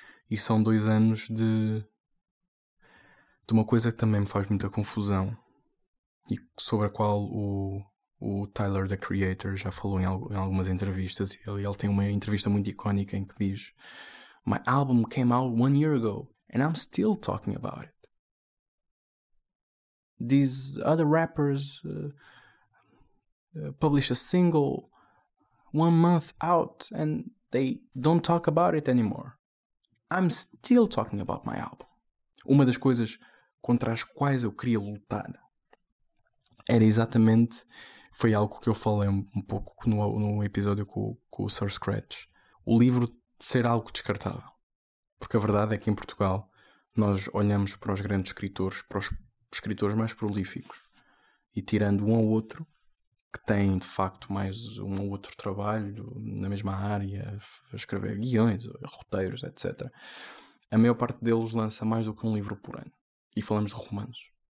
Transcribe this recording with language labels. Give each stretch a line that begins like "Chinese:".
Portuguese: E são 2 anos de uma coisa que também me faz muita confusão e sobre a qual o Tyler, the Creator, já falou em algumas entrevistas. Ele tem uma entrevista muito icónica em que diz:
English: "My album came out 1 year ago and I'm still talking about it. These other rappers publish a single 1 month out and they don't talk about it anymore. I'm still talking about my album."
Portuguese: Uma das coisas contra as quais eu queria lutar era exatamente, foi algo que eu falei um pouco no episódio com o Sir Scratch, o livro ser algo descartável. Porque a verdade é que em Portugal nós olhamos para os grandes escritores, para os escritores mais prolíficos, e tirando um ao outro, que têm de facto mais um ou outro trabalho na mesma área, a escrever guiões, roteiros, etc., a maior parte deles lança mais do que um livro por ano. E falamos de romances.